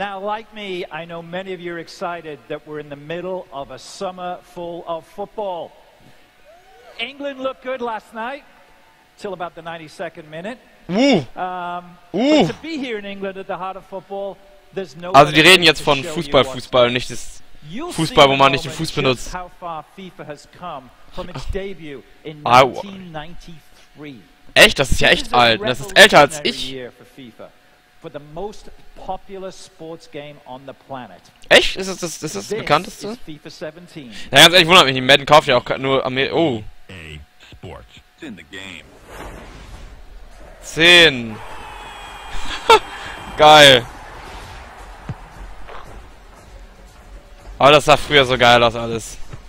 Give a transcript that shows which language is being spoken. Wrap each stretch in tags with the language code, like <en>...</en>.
<en>Now, like me, I know many of you are excited that we're in the middle of a summer full of football. England looked good last night, till about the 92nd minute. But to be here in England at the heart of football, there's no.</en> <de>Also, die reden jetzt von Fußball, nicht das Fußball, wo man nicht den Fuß benutzt.</de> <en>How far FIFA has come from its debut in 1993.</en> <de>Echt, das ist ja echt alt. Das ist älter als ich.</de> <en>For the most popular sports game on the planet.</en> <de>Echt? Ist das das bekannteste? FIFA 17. Ja, ganz ehrlich, wundert mich, Madden kauft ja auch nur Amerika.</de> <en>Oh. EA Sports. It's in the game.</en> <de>10. Geil. Oh, das sah früher so geil aus alles.</de>